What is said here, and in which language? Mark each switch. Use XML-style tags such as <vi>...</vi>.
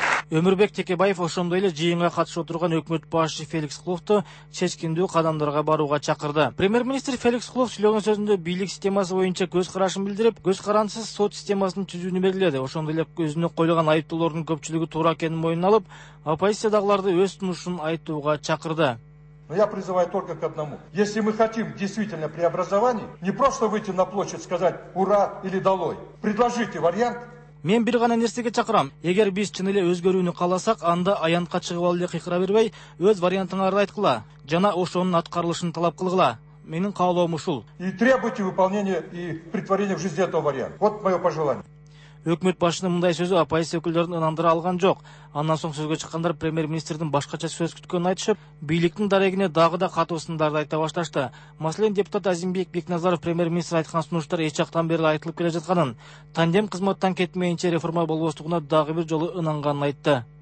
<ky>Өмүрбек Текебаев ошондой эле жыйынга катышып отурган өкмөт башчы Феликс Кловту чечкиндүү кадамдарга барууга чакырды. Премьер-министр Феликс Клов сүйлөгөн сөзүндө бийлик системасы боюнча көз карашын билдирип, көз карансыз сот системасынын түзүүнү белгиледи. Ошондой эле өзүнө коюлган айыптоолордун көпчүлүгү туура экенин моюнуна алып, оппозициядагыларды өз сунушун айтууга чакырды.</ky> <ru>Но я призываю только к одному. Если мы хотим действительно преобразований, не просто выйти на площадь и сказать «Ура!» или «Долой!», предложите вариант.</ru> <ky>Мен бир гана нерсеге чакырам. Эгер биз чын эле өзгөрүүнү кааласак, анда аянтка чыгып ал эле кыйкыра бербей, өз вариантыңарды айткыла жана ошонун аткарылышын талап кылгыла. Менин каалоом ушул.</ky> <ru>И требуйте выполнения и притворения в жизни этого варианта. Вот мое пожелание.</ru> <ky>Өкмөт башчынын мындай сөзү оппозиция өкүлдөрүн ынандыра алган жок. Андан соң сөзгө чыккандар премьер-министрдин башкача сөз күткөнүн айтышып, бийликтин дарегине дагы да катуу сындарды айта башташты. Маселен, депутат Азимбек Бекназаров премьер-министр айткан сунуштар эч жактан бери айтылып келе жатканын, тандем кызматтан кетмейинче реформа болбостугуна дагы бир жолу ынанганын айтты.</ky>